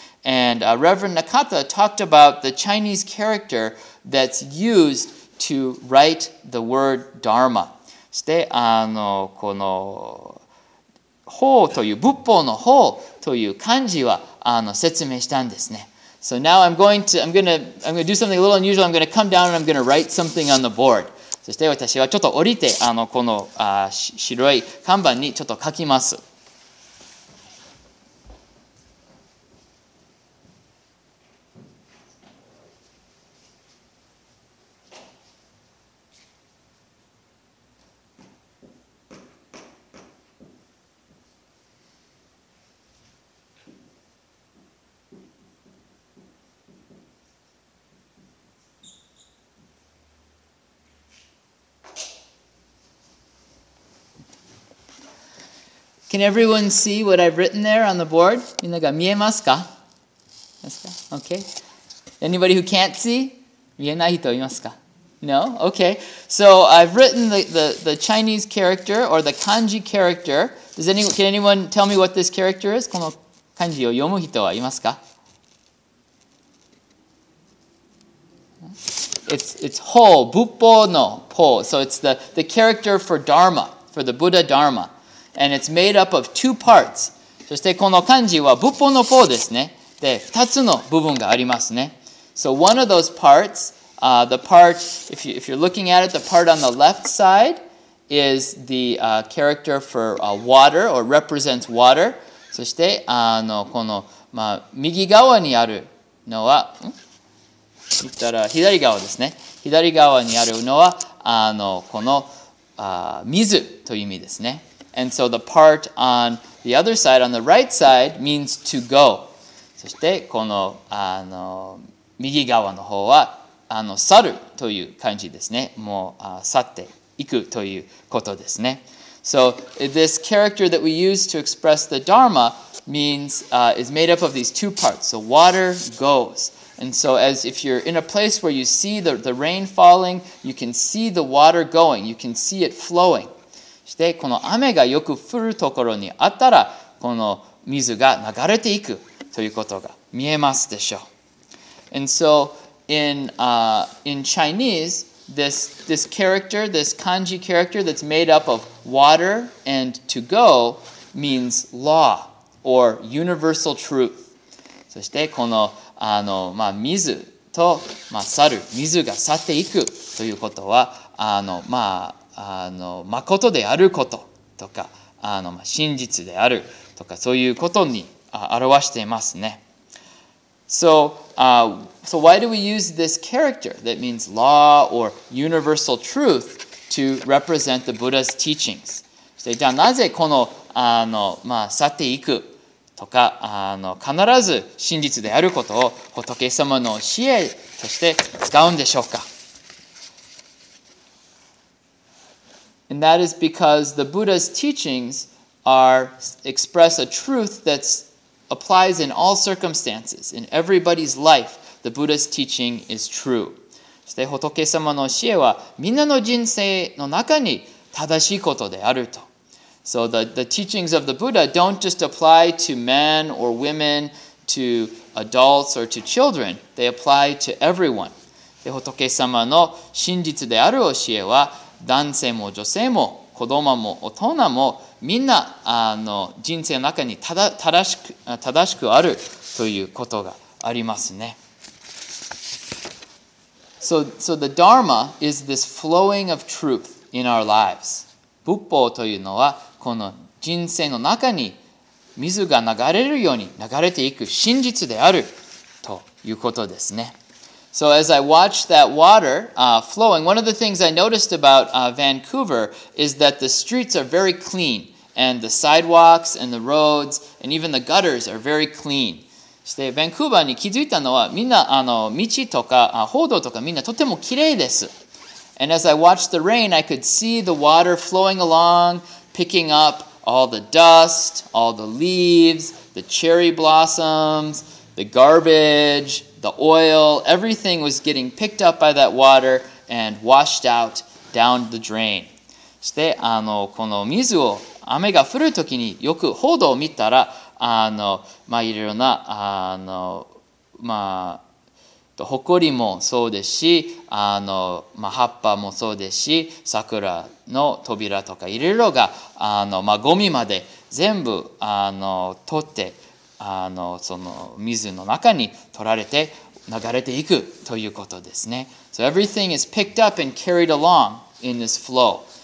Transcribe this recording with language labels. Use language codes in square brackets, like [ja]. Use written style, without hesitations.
[en] And Reverend Nakata talked about the Chinese character that's used to write the word Dharma. [ja] そしてこの法という仏法の法という漢字は説明したんですね。 [en] So now I'm going to do something a little unusual. I'm going to come down and I'm going to write something on the board. [ja] そして私はちょっと降りてこの白い看板にちょっと書きます。 [en] Can everyone see what I've written there on the board? [ja] みんなが見えますか? [en] Okay. Anybody who can't see? [ja] 見えない人いますか? [en] No? Okay. So I've written the Chinese character or the kanji character. Can anyone tell me what this character is? [ja] この漢字を読む人はいますか? [en] It's ho, [ja] 仏法の [en] po. So it's the character for Dharma, for the Buddha Dharma. And it's made up of two parts. [ja] そしてこの漢字は仏法の法ですね。で、二つの部分がありますね。 [en] So one of those parts, the part, if you're looking at it, the part on the left side is the character for water or represents water. [ja] そしてこの右側にあるのは、言ったら左側ですね。左側にあるのはこの水という意味ですね。 [en] And so the part on the other side, on the right side, means to go. [ja] そしてこの右側の方は去るという漢字ですね。もう去っていくということですね。 [en] So this character that we use to express the Dharma means is made up of these two parts. So water goes. And so as if you're in a place where you see the rain falling, you can see the water going. You can see it flowing. [ja] そしてこの雨がよく降るところにあったらこの水が流れていく。ということが見えますでしょう。 [en] And so in Chinese, this character, this kanji character that's made up of water and to go means law or universal truth. [ja] そしてこの、水と、猿、水が去っていくということは、誠であることとか、真実であるとか、そういうことに表していますね。 [en] So why do we use this character that means law or universal truth to represent the Buddha's teachings? [ja] じゃあなぜこの、去っていくとか、必ず真実であることを仏様の教えとして使うんでしょうか? [en] And that is because the Buddha's teachings express a truth that's applies in all circumstances, in everybody's life, the Buddha's teaching is true. [ja] そして仏様の教えはみんなの人生の中に正しいことであると。 [en] So the teachings of the Buddha don't just apply to men or women, to adults or to children. They apply to everyone. [ja] で仏様の真実である教えは男性も女性も子供も大人もみんな人生の中に正しくあるということがありますね。 [en] So the Dharma is this flowing of truth in our lives. [ja] 仏法というのはこの人生の中に水が流れるように流れていく真実であるということですね。 [en] So as I watched that water flowing, one of the things I noticed about Vancouver is that the streets are very clean, and the sidewalks and the roads and even the gutters are very clean. [ja] そしてバンクーバーに気づいたのはみんな道とか歩道とかみんなとてもきれいです。 [en] And as I watched the rain, I could see the water flowing along, picking up all the dust, all the leaves, the cherry blossoms, the garbage... The oil, everything was getting picked up by that water and washed out down the drain. [ja] そして、この水を、雨が降るときによく報道を見たら、いろいろな、ほこりもそうですし、葉っぱもそうですし、桜の扉とかいろいろが、ゴミまで全部、取って、その水の中に取られて流れていくということですね。 [en] So everything is picked up and carried along in this flow.